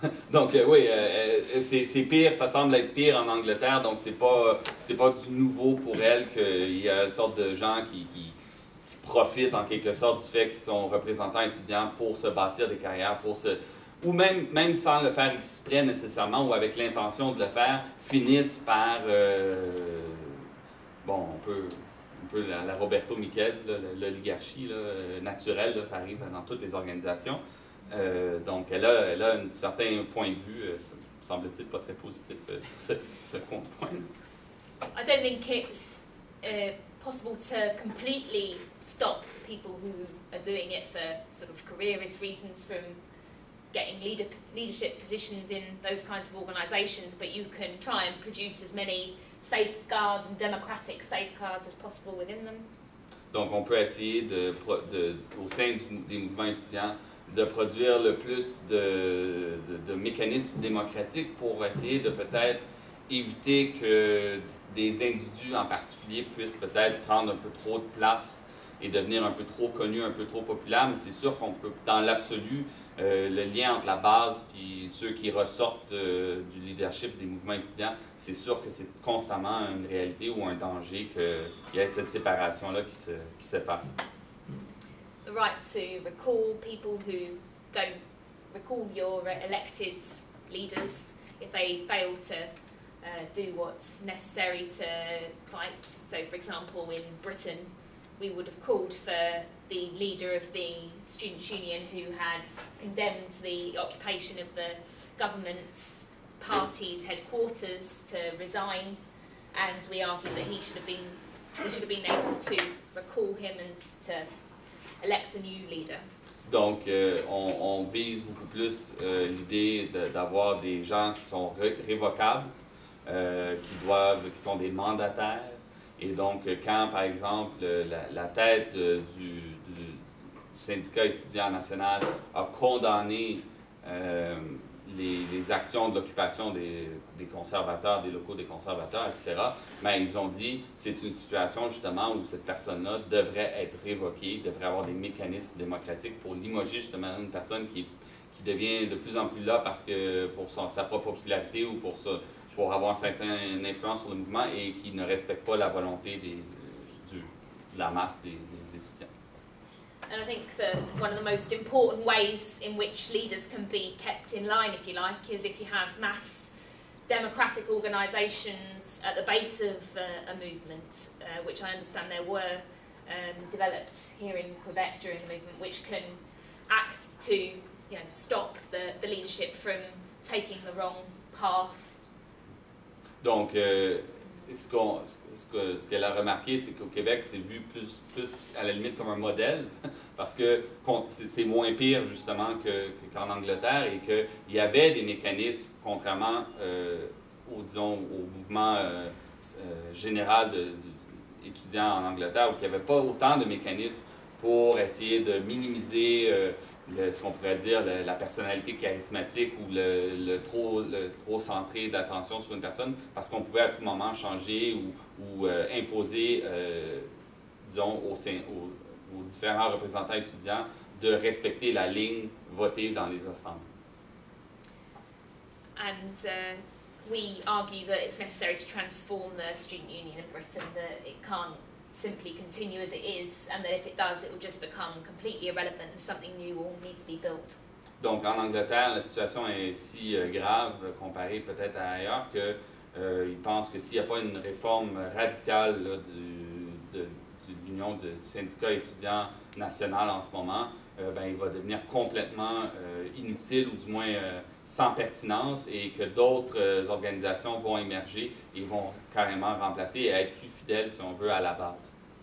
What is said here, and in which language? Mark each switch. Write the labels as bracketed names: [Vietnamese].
[French] Donc oui, c'est pire, ça semble être pire en Angleterre, donc c'est pas du nouveau pour elle qu'il y a une sorte de gens qui profitent en quelque sorte du fait qu'ils sont représentants étudiants pour se bâtir des carrières, pour se, ou même sans le faire exprès nécessairement ou avec l'intention de le faire, finissent par, un peu la Roberto Miquez, l'oligarchie là, naturelle, là, ça arrive dans toutes les organisations. Donc, elle a un certain point de vue, semble-t-il, pas très positif sur ce point. [English] I don't think it's possible to completely stop people who are doing it for sort of careerist reasons from getting leadership positions in those kinds of organisations, but you can try and produce as many safeguards and democratic safeguards as possible within them. [French] Donc, on peut essayer de au sein des mouvements étudiants, de produire le plus de mécanismes démocratiques pour essayer de peut-être éviter que des individus en particulier puissent peut-être prendre un peu trop de place et devenir un peu trop connus, un peu trop populaires. Mais c'est sûr qu'on peut, dans l'absolu, le lien entre la base et ceux qui ressortent du leadership des mouvements étudiants, c'est sûr que c'est constamment une réalité ou un danger qu'il y ait cette séparation-là qui s'efface. [English] The right to recall people who don't recall your elected leaders if they fail to do what's necessary to fight. So, for example, in Britain, we would have called for the leader of the students' union who had condemned the occupation of the government's party's headquarters to resign, and we argued that he should have been able to recall him and to elect a new leader. [French] Donc, on vise beaucoup plus l'idée d'avoir des gens qui sont révocables, qui sont des mandataires. Et donc, quand, par exemple, la tête du syndicat étudiant national a condamné les actions de l'occupation des conservateurs, des locaux des conservateurs, etc., mais ils ont dit c'est une situation justement où cette personne-là devrait être révoquée, devrait avoir des mécanismes démocratiques pour limoger justement une personne qui devient de plus en plus là parce que pour sa propre popularité ou pour avoir une certaine influence sur le mouvement et qui ne respecte pas la volonté de la masse des étudiants. [English] And I think that one of the most important ways in which leaders can be kept in line, if you like, is if you have mass democratic organisations at the base of a movement, which I understand there were developed here in Quebec during the movement, which can act to, you know, stop the leadership from taking the wrong path. [French] Donc, ce qu'elle a remarqué, c'est qu'au Québec, c'est vu plus à la limite comme un modèle, parce que c'est moins pire justement qu'en Angleterre, et qu'il y avait des mécanismes, contrairement au mouvement général d'étudiants en Angleterre, où il n'y avait pas autant de mécanismes pour essayer de minimiser ce qu'on pourrait dire la personnalité charismatique ou le trop centré de l'attention sur une personne, parce qu'on pouvait à tout moment changer ou imposer, disons, aux différents représentants étudiants de respecter la ligne votée dans les assemblées. [English] And we argue that it's necessary to transform the student union in Britain, that it can't simply continue as it is, and that if it does, it will just become completely irrelevant and something new will need to be built. [French] Donc, en Angleterre, la situation est si grave, comparée peut-être à ailleurs, que ils pensent que s'il n'y a pas une réforme radicale là, de l'union du syndicat étudiant national en ce moment, il va devenir complètement inutile ou du moins sans pertinence, et que d'autres organisations vont émerger et vont carrément remplacer et être plus fidèles, si on veut, à la base.